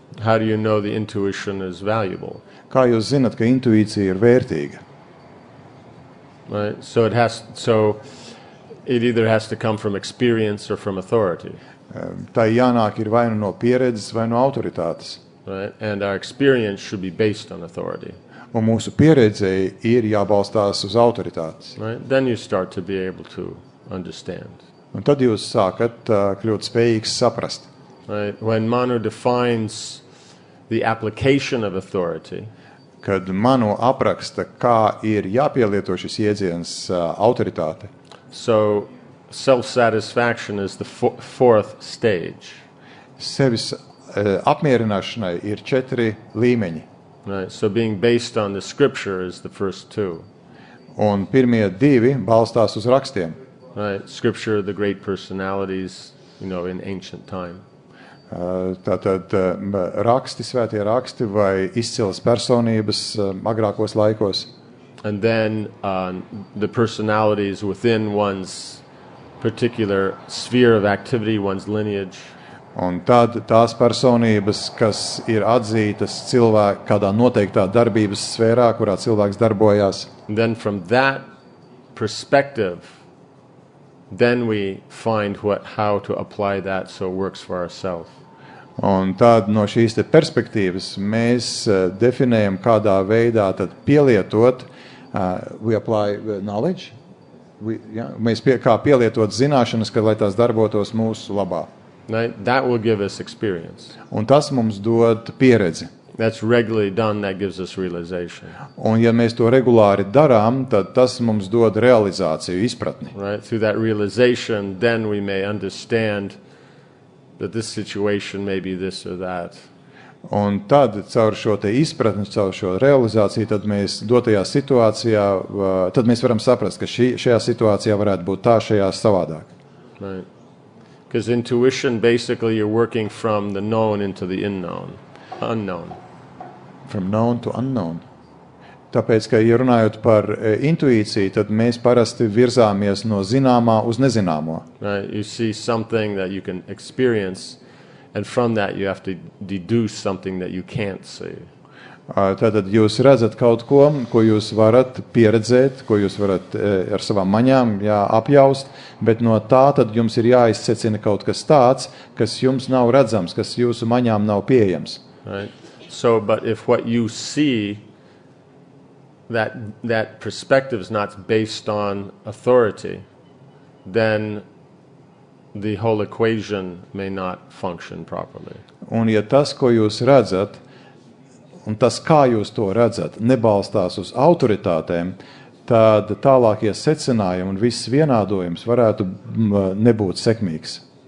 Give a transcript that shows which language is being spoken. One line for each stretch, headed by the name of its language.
English: How do you know the intuition is valuable?
Latvian: Kā jūs zināt, ka intuīcija ir vērtīga?
English: Right. So it has. So it either has to come from experience or from authority.
Latvian: Tai jānāk ir vai no pieredzes vai no autoritātes.
English: Right. And our experience should be based on authority.
Latvian: Un mūsu pieredze ir jābalstās uz autoritātes.
English: Right? Then you start to be able to understand.
Latvian: Un tad jūs sākat kļūt spējīgs saprast.
English: Right. When Manu defines the application of authority,
Latvian: kad Manu apraksta, kā ir jāpielieto šis iedziens autoritāte.
English: So self-satisfaction is the fourth stage.
Latvian: Sevis apmierināšanai ir četri līmeņi.
English: Right. So being based on the scripture is the first two.
Latvian: Un pirmie divi balstās uz rakstiem.
English: Right. Scripture, the great personalities, you know, in ancient time.
Latvian: Tātad raksti, svētie raksti vai izcilas personības agrākos laikos.
English: And then the personalities within one's particular sphere of activity, one's lineage.
Latvian: Un tad tās personības, kas ir atzītas cilvēka kādā noteiktā darbības sfērā, kurā cilvēks darbojās.
English: And then from that perspective, then we find what, how to apply that so it works for ourselves.
Latvian: Un tad no šīs te perspektīvas mēs definējam, kādā veidā tad pielietot,
English: we apply knowledge,
Latvian: mēs kā pielietot zināšanas, ka lai tās darbotos mūsu labā.
English: Right? That will give us experience.
Latvian: Un tas mums dod pieredzi.
English: That's regularly done, that gives us realization.
Latvian: Un ja mēs to regulāri darām, tad tas mums dod realizāciju, izpratni.
English: Right? Through that realization, then we may understand that this situation may be this or that.
Latvian: Un tad, caur šo te izpratni, caur šo realizāciju, tad mēs dotajā situācijā, tad mēs varam saprast, ka šajā situācijā varētu būt tā, šajā savādāk.
English: Right. Because intuition, basically, you're working from the known into the unknown. Unknown. From known to unknown.
Latvian: Tāpēc, ka, ja runājot par intuīciju, tad mēs parasti virzāmies no zināmā uz nezināmo.
English: Right. You see something that you can experience, and from that you have to deduce something that you can't see.
Latvian: Tātad jūs redzat kaut ko, ko jūs varat pieredzēt, ko jūs varat ar savām maņām apjaust, bet no tā tad jums ir jāizsecina kaut kas tāds, kas jums nav redzams, kas jūsu maņām nav pieejams.
English: Right. So, but if what you see, that perspective is not based on authority, then the whole equation may not function properly.
Latvian: Un ja tas, ko jūs redzat, un tas, kā jūs to redzat, nebalstās uz autoritātēm, tad tālākie secinājumi un viss vienādojums varētu nebūt sekmīgs.